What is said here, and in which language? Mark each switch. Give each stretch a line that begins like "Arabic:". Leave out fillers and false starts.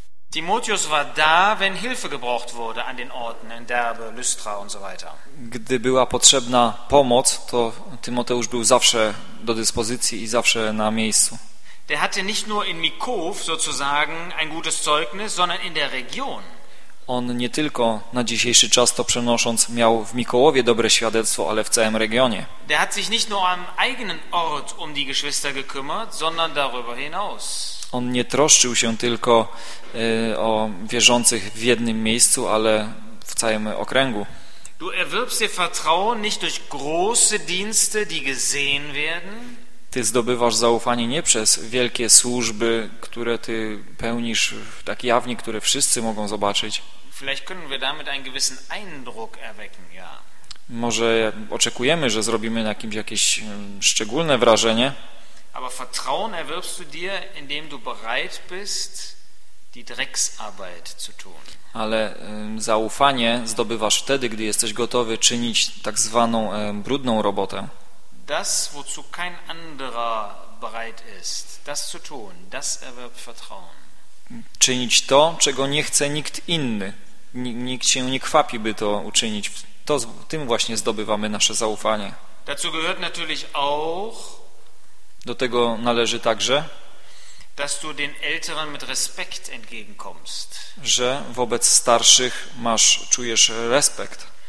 German: Timotheus war da, wenn Hilfe gebraucht wurde an den Orten in Derbe, Lystra und so weiter.
Polish: Gdy była potrzebna pomoc, to Tymoteusz był zawsze do dyspozycji i zawsze na miejscu.
German: Der hatte nicht nur in Mikow sozusagen ein gutes Zeugnis, sondern in der Region.
Polish: On nie tylko na dzisiejszy czas to przenosząc miał w Mikołowie dobre świadectwo, ale w całym regionie.
German: Der hat sich nicht nur am eigenen Ort um die Geschwister gekümmert, sondern darüber hinaus.
Polish: On nie troszczył się tylko o wierzących w jednym miejscu, ale w całym okręgu.
German: Du erwirbst dir Vertrauen nicht durch große Dienste, die gesehen werden.
Polish: Ty zdobywasz zaufanie nie przez wielkie służby, które ty pełnisz tak jawnie, które wszyscy mogą zobaczyć.
German: Vielleicht können wir damit einen gewissen Eindruck erwecken, ja.
Polish: Może oczekujemy, że zrobimy jakieś szczególne wrażenie.
German: Aber Vertrauen erwirbst du dir, indem du bereit bist, die Drecksarbeit zu tun.
Polish: Ale zaufanie zdobywasz wtedy, gdy jesteś gotowy czynić tak zwaną brudną robotę.
German: Das, wozu kein anderer bereit ist, das zu tun, das erwirbt Vertrauen.
Polish: Czynić to, czego nie chce nikt inny. Nikt się nie kwapi, by to uczynić. To tym właśnie zdobywamy nasze zaufanie.
German: Dazu gehört natürlich auch.
Polish: Do tego należy także,
German: dass du den älteren mit Respekt entgegenkommst.
Polish: Że wobec starszych czujesz respekt.